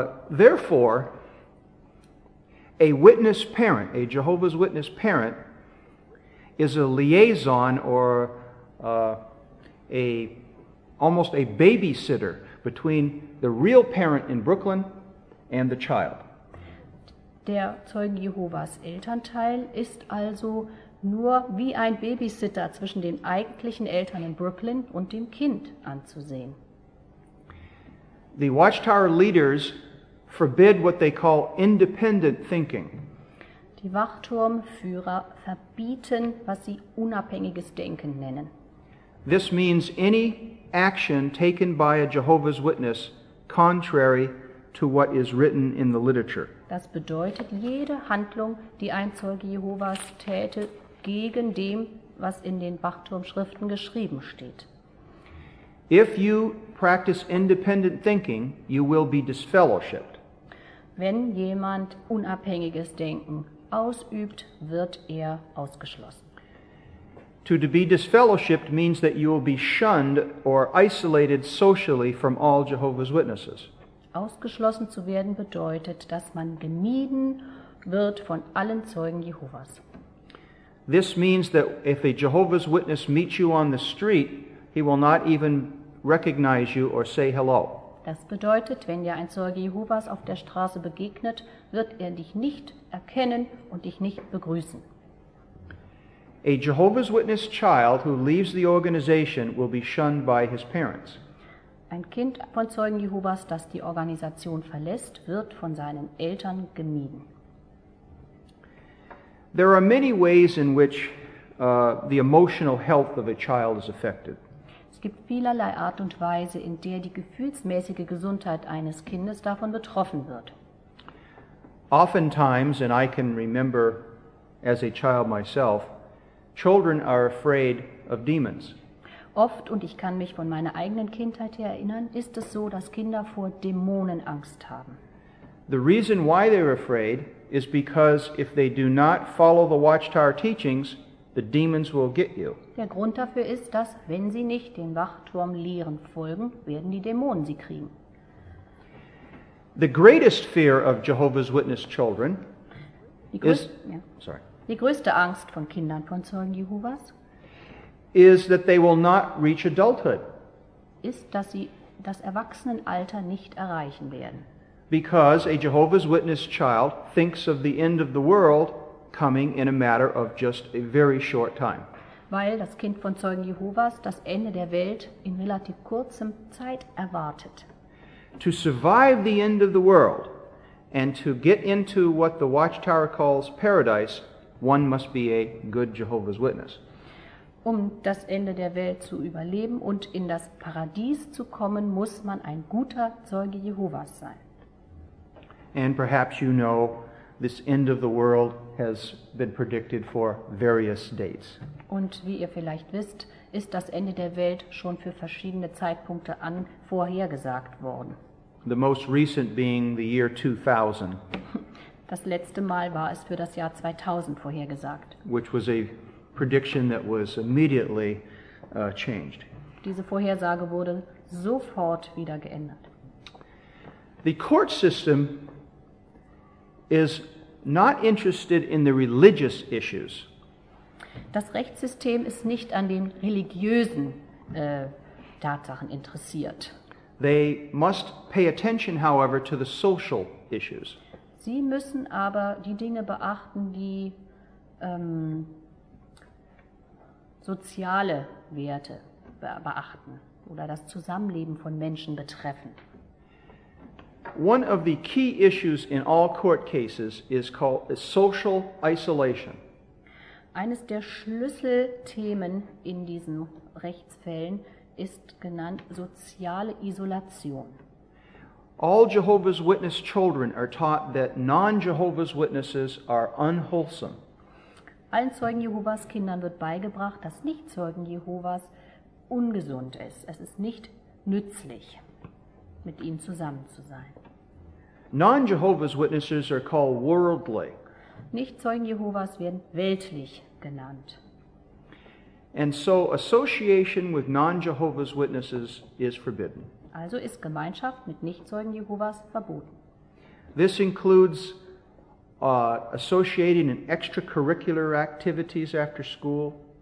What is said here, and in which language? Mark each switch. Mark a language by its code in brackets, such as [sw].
[en] Therefore, a witness parent, a Jehovah's Witness parent, is a liaison or almost a babysitter between the real parent in Brooklyn and the child. [de] Der Zeugen Jehovas Elternteil ist also nur wie ein Babysitter zwischen den eigentlichen Eltern in Brooklyn und dem Kind anzusehen. [en] The Watchtower leaders forbid what they call independent thinking. [de] Die Wachturmführer verbieten, was sie unabhängiges Denken nennen. [en] This means any action taken by a Jehovah's Witness contrary to what is written in the literature. [de] Das bedeutet jede Handlung, die ein Zeuge Jehovas täte, gegen dem, was in den Wachturmschriften geschrieben steht. [en] If you practice independent thinking, you will be disfellowshipped. [de] Wenn jemand unabhängiges Denken ausübt, wird er ausgeschlossen. [en] To be disfellowshipped means that you will be shunned or isolated socially from all Jehovah's Witnesses. [de] Ausgeschlossen zu werden bedeutet, dass man gemieden wird von allen Zeugen Jehovas. [en] This means that if a Jehovah's Witness meets you on the street, he will not even recognize you or say hello. [de] Das bedeutet, wenn dir ein Zeuge Jehovas auf der Straße begegnet, wird er dich nicht erkennen und dich nicht begrüßen. [en] A Jehovah's Witness child who leaves the organization will be shunned by his parents. [de] Ein Kind von Zeugen Jehovas, das die Organisation verlässt, wird von seinen Eltern gemieden. [en] There are many ways in which the emotional health of a child is affected. [de] Es gibt vielerlei Art und Weise, in der die gefühlsmäßige Gesundheit eines Kindes davon betroffen wird. [en] Oftentimes, and I can remember as a child myself, children are afraid of demons. [de] Oft, und ich kann mich von meiner eigenen Kindheit her erinnern, ist es so, dass Kinder vor Dämonen Angst haben. [en] The reason why they're afraid is because if they do not follow the Watchtower teachings, the demons will get you. [de] Der Grund dafür ist, dass wenn sie nicht den Wachturmlehren folgen, werden die Dämonen sie kriegen. [en] The greatest fear of Jehovah's Witness children is [de] Die größte Angst von Kindern von Zeugen Jehovas [en] is that they will not reach adulthood. [de] Ist, dass sie das Erwachsenenalter nicht erreichen werden. [en] Because a Jehovah's Witness child thinks of the end of the world coming in a matter of just a very short time. [de] Weil das Kind von Zeugen Jehovas das Ende der Welt in relativ kurzem Zeit erwartet. [en] To survive the end of the world and to get into what the Watchtower calls paradise, one must be a good Jehovah's Witness. [de] Um das Ende der Welt zu überleben und in das Paradies zu kommen, muss man ein guter Zeuge Jehovas sein. [en] And perhaps you know, this end of the world has been predicted for various dates. [de] Und wie ihr vielleicht wisst, ist das Ende der Welt schon für verschiedene Zeitpunkte an vorhergesagt worden. [en] The most recent being the year 2000. [de] Das letzte Mal war es für das Jahr 2000 vorhergesagt. [en] Which was a prediction that was immediately changed. [de] Diese Vorhersage wurde sofort wieder geändert. [en] The court system is not interested in the religious issues. [de] Das Rechtssystem ist nicht an den religiösen Tatsachen interessiert. [en] They must pay attention, however, to the social issues. [de] Sie müssen aber die Dinge beachten, die soziale Werte beachten oder das Zusammenleben von Menschen betreffen. [en] One of the key issues in all court cases is called social isolation. [de] Eines der Schlüsselthemen in diesen Rechtsfällen ist genannt soziale Isolation. [en] All Jehovah's Witness children are taught that non-Jehovah's Witnesses are unwholesome. [de] Allen Zeugen Jehovas Kindern wird beigebracht, dass Nichtzeugen Jehovas ungesund ist. Es ist nicht nützlich, mit ihnen zusammen zu sein. [en] Non-Jehovah's Witnesses are called worldly. [de] Nichtzeugen Jehovas werden weltlich genannt. [en] And so association with non-Jehovah's Witnesses is forbidden. [de] Also ist Gemeinschaft mit Nichtzeugen Jehovas verboten. [en] This includes associating in extracurricular activities after school.